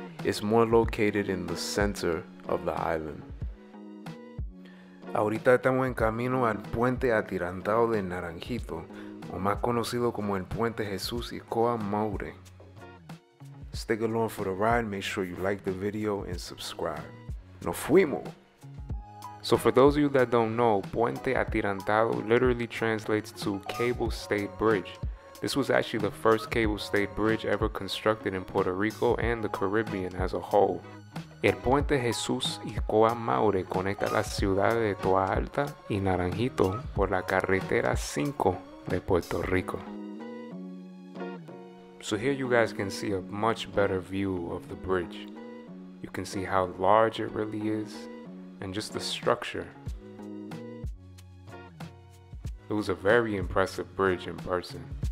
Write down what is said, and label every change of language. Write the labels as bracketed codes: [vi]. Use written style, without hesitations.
[en] It's more located in the center of the island. [es] Ahorita estamos en camino al Puente Atirantado de Naranjito, o más conocido como el Puente Jesús Izcoa Moure. [en] Stick along for the ride, make sure you like the video and subscribe. [es] ¡Nos fuimos! [en] So for those of you that don't know, Puente Atirantado literally translates to Cable State Bridge. This was actually the first cable state bridge ever constructed in Puerto Rico and the Caribbean as a whole. [es] El Puente Jesús Izcoa Moure conecta las ciudades de Toa Alta y Naranjito por la carretera 5 de Puerto Rico. [en] So here you guys can see a much better view of the bridge. You can see how large it really is and just the structure. It was a very impressive bridge in person.